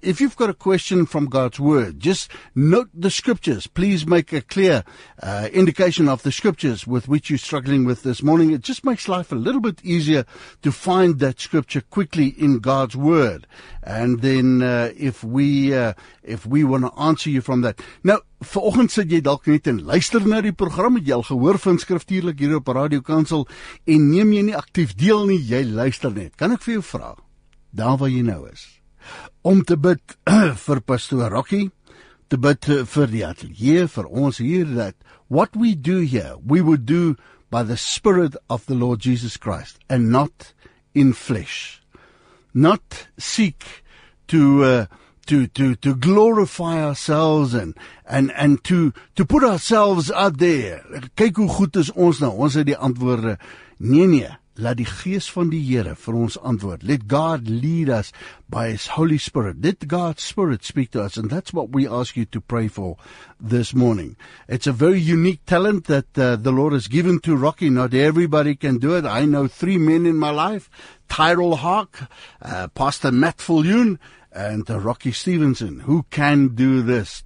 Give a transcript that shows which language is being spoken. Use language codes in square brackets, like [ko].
[en] If you've got a question from God's Word, just note the scriptures. Please make a clear indication of the scriptures with which you're struggling with this morning. It just makes life a little bit easier to find that scripture quickly in God's Word. And then if we want to answer you from that. [af] Nou, vanoggend sit jy dalk net en luister na die program, het jy al gehoor van skriftuurlik hier op Radio Kansel en neem jy nie aktief deel nie, jy luister net. Kan ek vir jou vra, daar waar jy nou is, om te bid vir Pastor Rocky, te bid vir die atelier, vir ons hier, dat [en] what we do here, we would do by the Spirit of the Lord Jesus Christ and not in flesh. Not seek to glorify ourselves and to put ourselves out there. [af] Kyk hoe goed is ons nou. Ons het die antwoorde. Nee. Laat die Gees van die Here vir ons antwoord. [en] Let God lead us by His Holy Spirit. Let God's Spirit speak to us. And that's what we ask you to pray for this morning. It's a very unique talent that the Lord has given to Rocky. Not everybody can do it. I know three men in my life. Tyrell Hawk, Pastor Matt Fulhune, and Rocky Stevenson, who can do this.